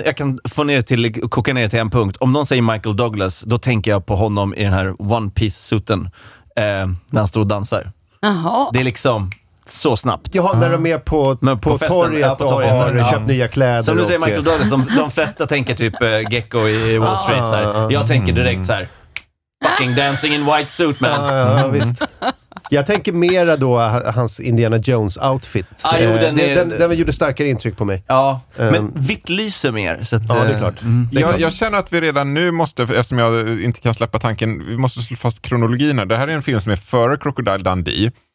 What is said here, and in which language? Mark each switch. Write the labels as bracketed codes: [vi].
[sv] Jag kan få ner till koka ner till en punkt. Om någon säger Michael Douglas, då tänker jag på honom i den här One Piece-suten när han står och dansar. Jaha. Det är liksom så snabbt. Jaha, när de är på torget och har köpt nya kläder. Som du säger, Michael Douglas, de flesta tänker typ Gecko i Wall Street. Så här. Jag tänker direkt så här. [en] fucking dancing in white suit, man. [sv] Ja, ja, visst. Jag tänker mera då hans Indiana Jones outfit. Ah, jo, den gjorde starkare intryck på mig. Ja, men vitt lyser mer. Så att, ja, det är klart. Mm. Jag känner att vi redan nu måste, eftersom jag inte kan släppa tanken, vi måste slå fast kronologin här. Det här är en film som är före Crocodile Dundee.